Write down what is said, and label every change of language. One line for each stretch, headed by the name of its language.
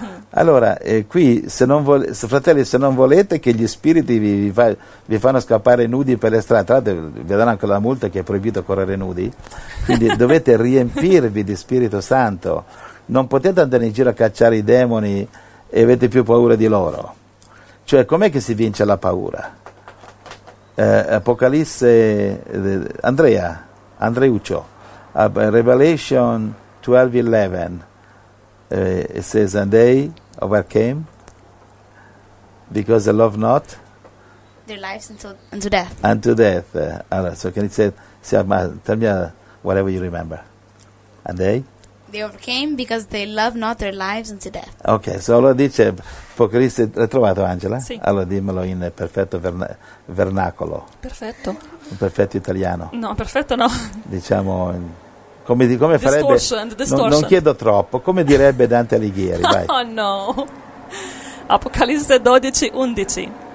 Italian: Allora, qui, se non volete, fratelli, se non volete che gli spiriti vi fanno scappare nudi per le strade, tra l'altro vi danno anche la multa che è proibito correre nudi, quindi dovete riempirvi di Spirito Santo. Non potete andare in giro a cacciare i demoni e avete più paura di loro. Cioè, com'è che si vince la paura?
English: Apocalisse, Andrea, Andreuccio, Revelation 12:11, it says, and they overcame because they love not their lives unto death. Unto death. Alright, so can you tell me whatever you remember. And they? They overcame because they love not their lives unto death.
Italian: Okay, so allora dice Apocalisse, l'hai trovato Angela? Sì. Allora dimmelo in perfetto vernacolo. Perfetto. In perfetto italiano. No, perfetto no. Diciamo in, come farebbe, non chiedo troppo, come direbbe Dante Alighieri, vai. Oh no, Apocalisse 12:11.